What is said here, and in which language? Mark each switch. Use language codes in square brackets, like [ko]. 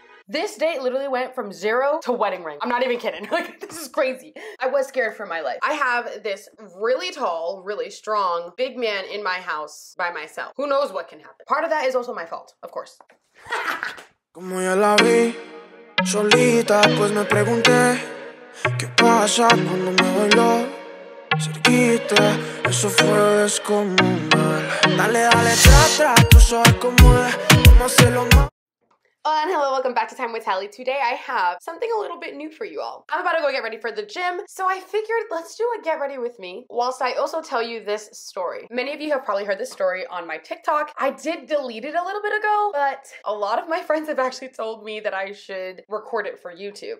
[en] This date literally went from zero to wedding ring. I'm not even kidding. Like, this is crazy. I was scared for my life. I have this really tall, really strong, big man in my house by myself. Who knows what can happen? Part of that is also my fault, of course. [es] Como ya la vi, solita, pues me pregunté, ¿qué pasa cuando me bailó? Cerquita, eso fue descomunal. Dale, dale, tra, tra, tú sabes cómo es, cómo hacerlo más. [en] Hola and hello, welcome back to Time with Tali. Today I have something a little bit new for you all. I'm about to go get ready for the gym, so I figured let's do a get ready with me whilst I also tell you this story. Many of you have probably heard this story on my TikTok. I did delete it a little bit ago, but a lot of my friends have actually told me that I should record it for YouTube.